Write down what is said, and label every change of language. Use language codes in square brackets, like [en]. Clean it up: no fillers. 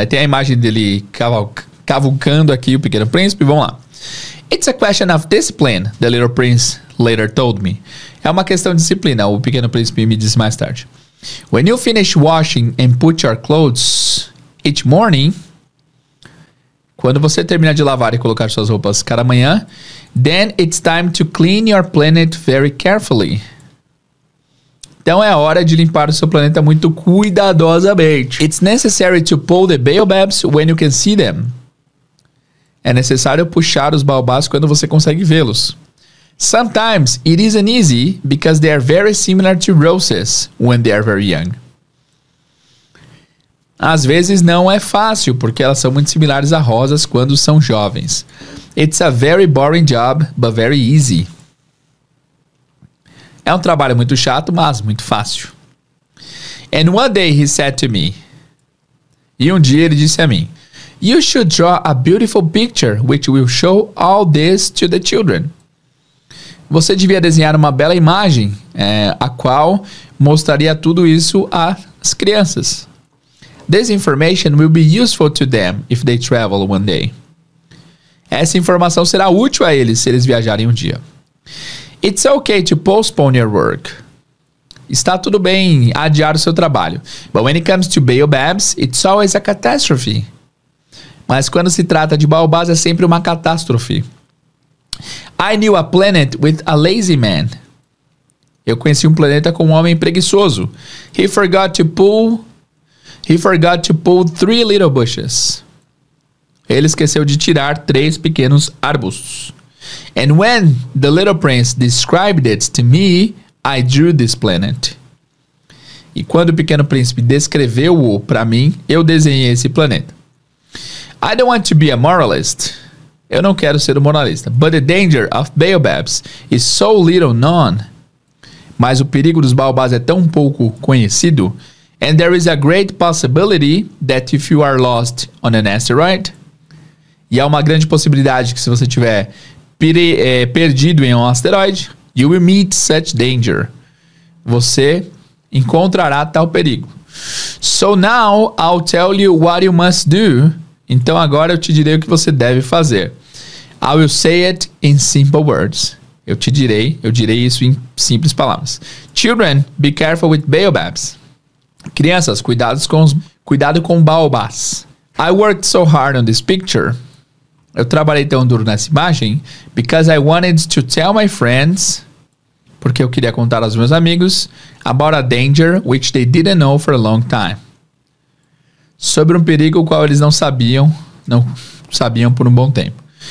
[pt] Aí tem a imagem dele cavucando aqui o Pequeno Príncipe. Vamos lá. [en] It's a question of discipline, the little prince later told me. [pt] É uma questão de disciplina, o Pequeno Príncipe me disse mais tarde. [en] When you finish washing and put your clothes each morning... [pt] Quando você terminar de lavar e colocar suas roupas cada manhã, [en] then it's time to clean your planet very carefully. [pt] Então é hora de limpar o seu planeta muito cuidadosamente. [en] It's necessary to pull the baobabs when you can see them. [pt] É necessário puxar os baobás quando você consegue vê-los. [en] Sometimes it isn't easy because they are very similar to roses when they are very young. [pt] Às vezes não é fácil, porque elas são muito similares a rosas quando são jovens. [en] It's a very boring job, but very easy. [pt] É um trabalho muito chato, mas muito fácil. [en] And one day he said to me. [pt] E um dia ele disse a mim. [en] You should draw a beautiful picture, which will show all this to the children. [pt] Você devia desenhar uma bela imagem, a qual mostraria tudo isso às crianças. [en] This information will be useful to them if they travel one day. [pt] Essa informação será útil a eles se eles viajarem um dia. [en] It's okay to postpone your work. [pt] Está tudo bem adiar o seu trabalho. [en] But when it comes to baobabs, it's always a catastrophe. [pt] Mas quando se trata de baobás, é sempre uma catástrofe. [en] I knew a planet with a lazy man. [pt] Eu conheci um planeta com um homem preguiçoso. [en] He forgot to pull three little bushes. [pt] Ele esqueceu de tirar três pequenos arbustos. [en] And when the little prince described it to me, I drew this planet. [pt] E quando o pequeno príncipe descreveu-o para mim, eu desenhei esse planeta. [en] I don't want to be a moralist. [pt] Eu não quero ser um moralista. [en] But the danger of baobabs is so little known. [pt] Mas o perigo dos baobás é tão pouco conhecido. [en] And there is a great possibility that if you are lost on an asteroid. [pt] E há uma grande possibilidade que se você tiver perdido em um asteroide, [en] you will meet such danger. [pt] Você encontrará tal perigo. [en] So now I'll tell you what you must do. [pt] Então agora eu te direi o que você deve fazer. [en] I will say it in simple words. [pt] Eu direi isso em simples palavras. [en] Children, be careful with baobabs. [pt] Crianças, cuidado com baobás. [en] I worked so hard on this picture. [pt] Eu trabalhei tão duro nessa imagem. [en] Because I wanted to tell my friends. [pt] Porque eu queria contar aos meus amigos. [en] About a danger which they didn't know for a long time. [pt] Sobre um perigo qual eles não sabiam por um bom tempo.